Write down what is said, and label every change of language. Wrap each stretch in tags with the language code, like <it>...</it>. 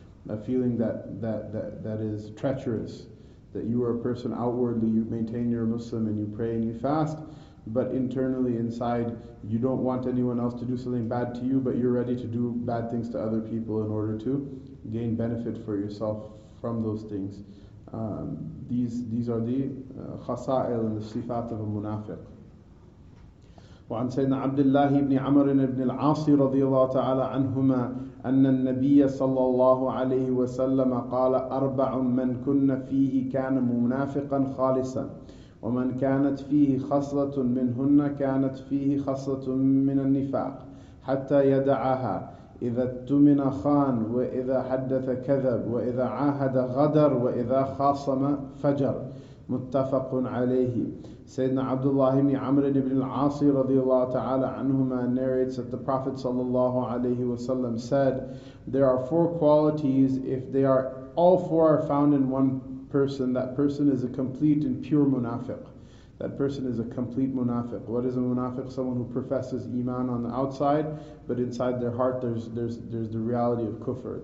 <en>a feeling that is treacherous, that you are a person outwardly, you maintain your Muslim and you pray and you fast, but internally, inside, you don't want anyone else to do something bad to you, but you're ready to do bad things to other people in order to gain benefit for yourself from those things. These are the khasa'il and the sifat of a munafiq.</en> <ar>وعن سيدنا عبد الله بن عمر بن العاص رضي الله تعالى عنهما أن النبي صلى الله عليه وسلم قال أربع من كن فيه كان منافقا خالصا ومن كانت فيه خصلة منهن كانت فيه خصلة من النفاق حتى يدعها إذا اتمن خان وإذا حدث كذب وإذا عاهد غدر وإذا خاصم فجر متفق عليه.</ar> <en>سيدنا عبد الله بن عمر بن العاص رضي الله تعالى عنهما narrates that the Prophet صلى الله عليه وسلم said, there are four qualities, if they are all four are found in one person, that person is a complete and pure munafiq. That person is a complete munafiq. What is a munafiq? Someone who professes iman on the outside, but inside their heart there's the reality of kufr.</en>